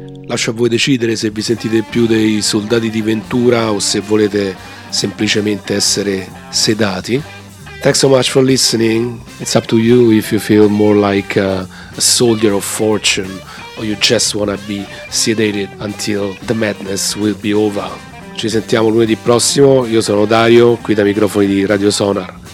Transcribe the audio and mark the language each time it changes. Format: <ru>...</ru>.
<it>Lascio a voi decidere se vi sentite più dei soldati di Ventura o se volete semplicemente essere sedati.</it> <en>Thanks so much for listening. It's up to you if you feel more like a soldier of fortune or you just wanna be sedated until the madness will be over.</en> <it>Ci sentiamo lunedì prossimo. Io sono Dario, qui dai microfoni di Radio Sonar.</it>